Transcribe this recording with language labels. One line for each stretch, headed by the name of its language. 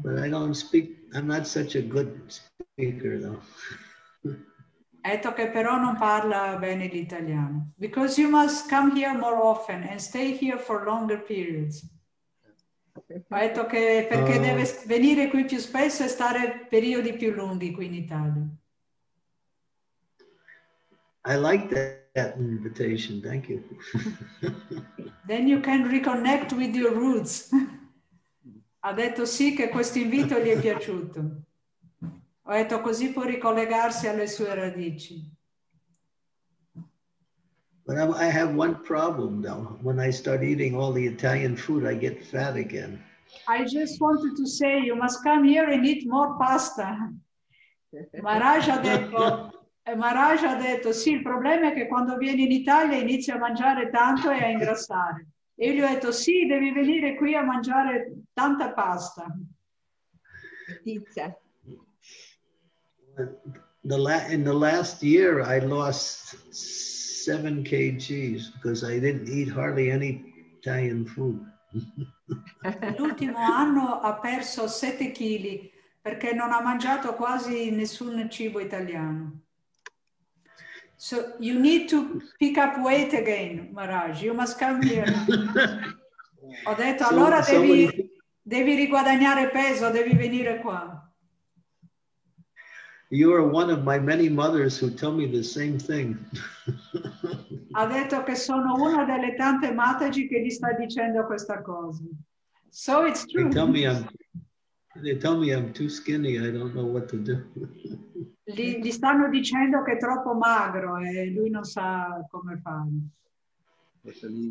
English: But I don't speak, I'm not such a good speaker, though.
Italian: Detto che però non parla bene l'italiano.
English: Because you must come here more often and stay here for longer periods.
Italian: Ha detto che perché deve venire qui più spesso e stare periodi più lunghi qui in Italia.
English: I like that invitation, thank you. Then you can reconnect with your roots.
Italian: Ha detto sì, che questo invito gli è piaciuto. Ho detto, così può ricollegarsi alle sue radici.
English: But I have one problem, though. When I start eating all the Italian food, I get fat again. I just wanted to say, you must come here and eat more pasta.
Italian: Maharaj ha detto, sì, il problema è che quando vieni in Italia inizi a mangiare tanto e a ingrassare. E gli ho detto, sì, devi venire qui a mangiare tanta pasta.
English: Pizza. In the last year, I lost 7 kg because I didn't eat hardly any Italian food.
Italian: L'ultimo anno ha perso 7 kg perché non ha mangiato quasi nessun cibo italiano.
English: So you need to pick up weight again, Maharaj. You must come here.
Italian: Ho detto, allora devi riguadagnare peso, devi venire qua.
English: You are one of my many mothers who tell me the same thing.
Italian: Ha detto che sono una delle tante mataji che gli sta dicendo questa cosa.
English: So it's true. They tell me I'm too skinny, I don't know what to do.
Italian: Gli stanno dicendo che è troppo magro e lui non sa come fare.